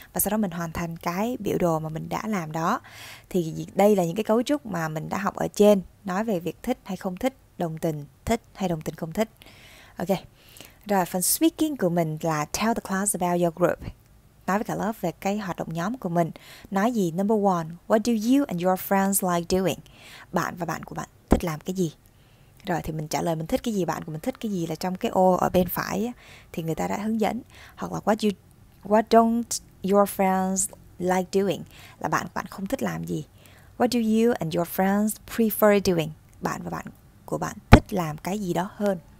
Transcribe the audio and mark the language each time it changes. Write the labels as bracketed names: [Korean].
[Vietnamese] Và sau đó mình hoàn thành cái biểu đồ mà mình đã làm đó. Thì đây là những cái cấu trúc mà mình đã học ở trên. Nói về việc thích hay không thích, đồng tình thích hay đồng tình không thích. Ok. Rồi phần speaking của mình là [English] tell the class about your group. [Vietnamese] Nói với cả lớp về cái hoạt động nhóm của mình. Nói gì? [English] Number one, what do you and your friends like doing? [Vietnamese] Bạn và bạn của bạn thích làm cái gì? Rồi thì mình trả lời mình thích cái gì, bạn của mình thích cái gì, là trong cái ô ở bên phải thì người ta đã hướng dẫn. Hoặc là [English] what don't your friends like doing, [Vietnamese] là bạn không thích làm gì. [English] What do you and your friends prefer doing, [Vietnamese] bạn và bạn của bạn thích làm cái gì đó hơn.